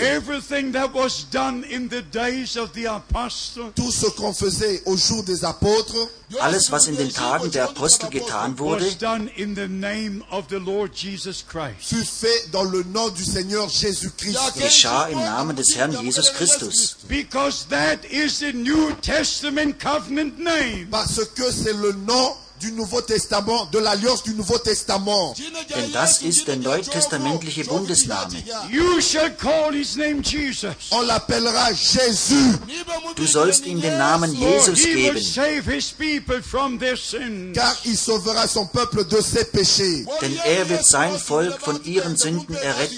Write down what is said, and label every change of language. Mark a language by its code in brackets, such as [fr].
[en] Everything that was done in the days of the apostle. [fr] Tout ce qu'on faisait au jour des apôtres. [de] Alles was in den Tagen der Apostel getan wurde. [en] Was done in the name of the Lord Jesus Christ. [fr] Fut fait dans le nom du Seigneur Jésus Christ. [de] Geschah im Namen des Herrn Jesus Christus. [en] Because that is the New Testament covenant name. [fr] Parce que c'est le nom du Nouveau Testament, de l'Alliance du Nouveau Testament. [de] Denn das ist der neutestamentliche Bundesname. [en] You shall call his name Jesus. [fr] On l'appellera Jésus. [de] Du sollst ihm den Namen Jesus geben. [en] He will save his people from their sins. [fr] Car il sauvera son peuple de ses péchés. [de] Denn er wird sein Volk von ihren Sünden erretten.